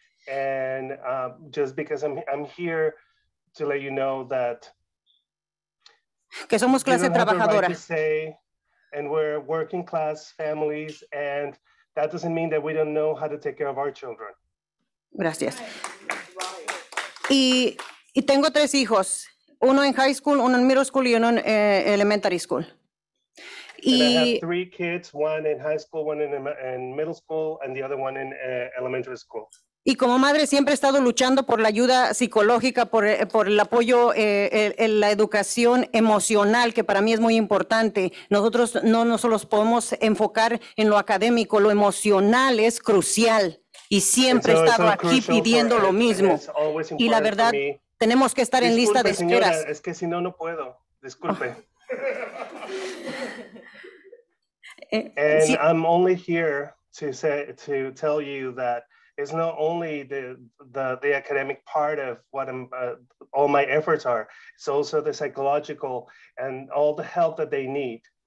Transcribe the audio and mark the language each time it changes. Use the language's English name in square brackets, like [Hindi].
[English] And just because I'm here to let you know that [Spanish] que somos clase trabajadora. [English] Right to say, and we're working class families, and that doesn't mean that we don't know how to take care of our children. [Spanish] Gracias. Y tengo tres hijos, uno en high school, uno en middle school y uno en elementary school. [English] And I have three kids, one in high school, one in middle school, and the other one in elementary school. [Spanish] Y como madre siempre he estado luchando por la ayuda psicológica, por el apoyo, la educación emocional, que para mí es muy importante. Nosotros no nos solo podemos enfocar en lo académico, lo emocional es crucial. Y siempre he estado aquí pidiendo lo mismo. Y la verdad, tenemos que estar en lista de espera. Disculpe, señora, es que si no, no puedo. Disculpe. [English] I'm only here to tell you that it's not only the academic part of what I'm, all my efforts are, it's also the psychological and all the help that they need.